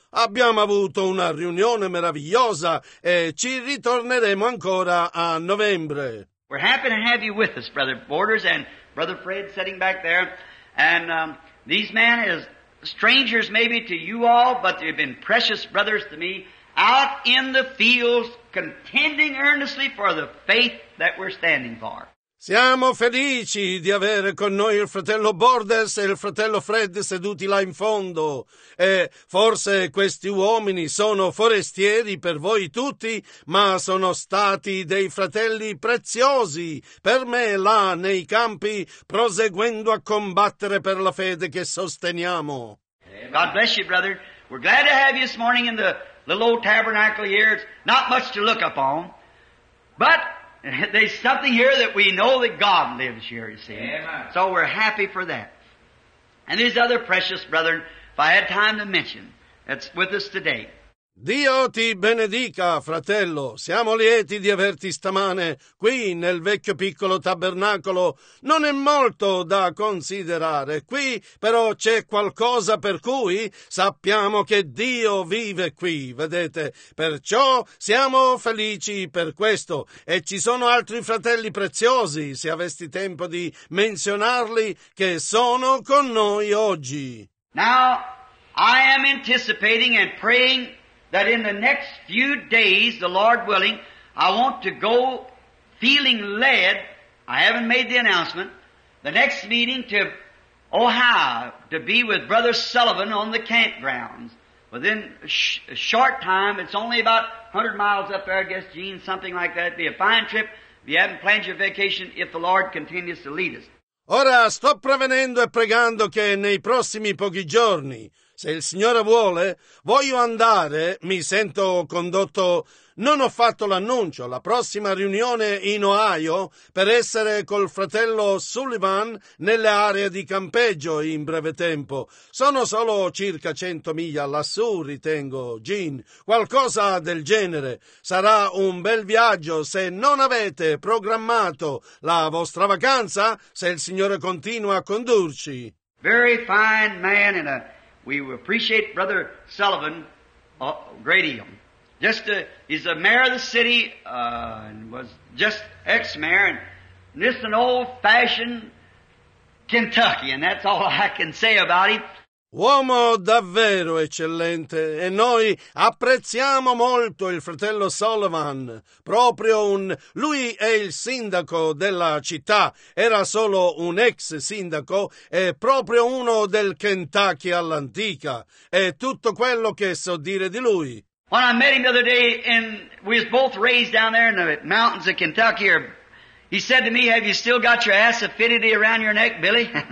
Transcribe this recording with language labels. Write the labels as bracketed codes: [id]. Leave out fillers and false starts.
[it] Abbiamo avuto una riunione meravigliosa e ci ritorneremo ancora a novembre. [en] We're happy to have you with us, Brother Borders and Brother Fred sitting back there. And these men is strangers maybe to you all, but they've been precious brothers to me out in the fields contending earnestly for the faith that we're standing for. [it] Siamo felici di avere con noi il fratello Bordes e il fratello Fred seduti là in fondo. E forse questi uomini sono forestieri per voi tutti, ma sono stati dei fratelli preziosi per me là nei campi, proseguendo a combattere per la fede che sosteniamo. [en] God bless you, brother. We're glad to have you this morning in the little old tabernacle here. It's not much to look upon, but there's something here that we know that God lives here, you see. Amen. So we're happy for that. And these other precious brethren, if I had time to mention, that's with us today. [it] Dio ti benedica, fratello. Siamo lieti di averti stamane qui nel vecchio piccolo tabernacolo. Non è molto da considerare qui, però c'è qualcosa per cui sappiamo che Dio vive qui, vedete? Perciò siamo felici per questo. E ci sono altri fratelli preziosi, se avessi tempo di menzionarli, che sono con noi oggi. [en] Now, I am anticipating and praying that in the next few days, the Lord willing, I want to go feeling led, I haven't made the announcement, the next meeting to Ohio to be with Brother Sullivan on the campgrounds. Within a short time, it's only about 100 miles up there, I guess, Gene, something like that. It'd be a fine trip if you haven't planned your vacation if the Lord continues to lead us. [it] Ora sto prevenendo e pregando che nei prossimi pochi giorni, se il Signore vuole, voglio andare, mi sento condotto, non ho fatto l'annuncio, la prossima riunione in Ohio per essere col fratello Sullivan nelle aree di campeggio in breve tempo. Sono solo circa 100 miglia lassù, ritengo, Gene, qualcosa del genere. Sarà un bel viaggio se non avete programmato la vostra vacanza, se il Signore continua a condurci. [en] Very fine man in a... We appreciate Brother Sullivan a great deal. He's the mayor of the city and was just ex-mayor. And just an old-fashioned Kentuckian, that's all I can say about him. [it] Uomo davvero eccellente, e noi apprezziamo molto il fratello Sullivan, proprio un... lui è il sindaco della città, era solo un ex sindaco, e proprio uno del Kentucky all'antica, è tutto quello che so dire di lui. [en] When I met him the other day, and we was both raised down there in the mountains of Kentucky, he said to me, "Have you still got your assafidity around your neck, Billy?"